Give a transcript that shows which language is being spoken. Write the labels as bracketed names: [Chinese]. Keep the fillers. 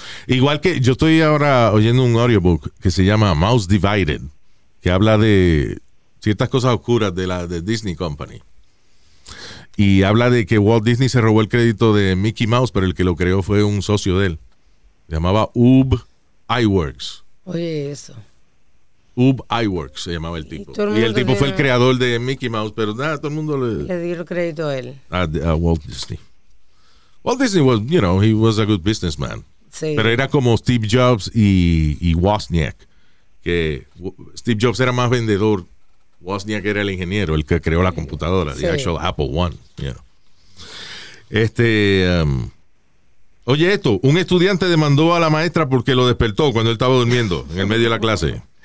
[Spanish] Igual que yo estoy ahora oyendo un audiobook que se llama Mouse Divided, que habla de ciertas cosas oscuras de la de Disney Company y habla de que Walt Disney se robó el crédito de Mickey Mouse, pero el que lo creó fue un socio de él. Se llamaba Ub Iwerks. Oye, eso. Ub Iwerks se llamaba el tipo. Y, el, y el tipo dio, fue el creador de Mickey Mouse, pero nada, todo el mundo le, le dio el crédito a él. A, a, Walt Disney. [English] Walt Disney was, you know, he was a good businessman. [Spanish] Sí. Pero era como Steve Jobs y, y Wozniak. Que Steve Jobs era más vendedor Wozniak era el ingeniero, el que creó la computadora, sí. [English] the actual Apple One. [Spanish] Yeah. Este, um, oye, esto, un estudiante demandó a la maestra porque lo despertó cuando él estaba durmiendo en el medio de la clase.